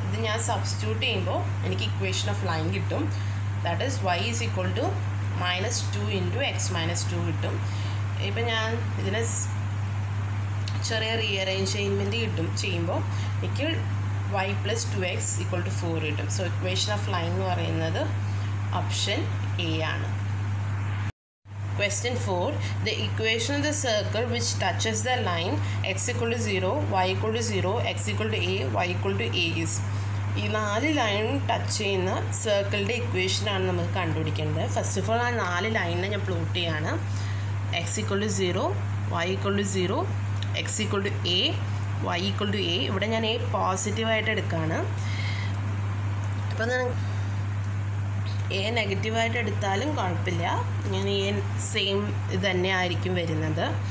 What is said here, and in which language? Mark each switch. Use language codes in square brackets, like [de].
[ml] ഇത് ഞാൻ സബ്സ്റ്റിറ്റ്യൂട്ട് ചെയ്യുമ്പോൾ എനിക്ക് ഇക്വേഷൻ ഓഫ് ലൈൻ കിട്ടും, [en] that is y is equal to -2 × x - 2 [ml] കിട്ടും. ഇപ്പം ഞാൻ ഇതിനെ ചെറിയ റീഅറേഞ്ച്മെൻറ്റ് കിട്ടും. ചെയ്യുമ്പോൾ എനിക്ക് Y plus two X equal to four കിട്ടും. സോ ഇക്വേഷൻ ഓഫ് ലൈൻ എന്ന് പറയുന്നത് ഓപ്ഷൻ എ ആണ്. [en] Question 4. The equation of the circle which touches the line x equal to 0, y equal to 0, x equal to a, y equal to a is. [ml] ഈ നാല് line touch ചെയ്യുന്ന സർക്കിളിൻ്റെ ഇക്വേഷനാണ് നമുക്ക് കണ്ടുപിടിക്കേണ്ടത്. First of all ആ നാല് ലൈനിനെ ഞാൻ പ്ലോട്ട് ചെയ്യാണ്. [en] x equal to 0, y equal to 0, x equal to a, y equal to a. [ml] ഇവിടെ ഞാൻ a പോസിറ്റീവ് ആയിട്ട് എടുക്കുകയാണ്. അപ്പം എ നെഗറ്റീവായിട്ട് എടുത്താലും കുഴപ്പമില്ല, ഇങ്ങനെ എ സെയിം ഇത് തന്നെയായിരിക്കും വരുന്നത്.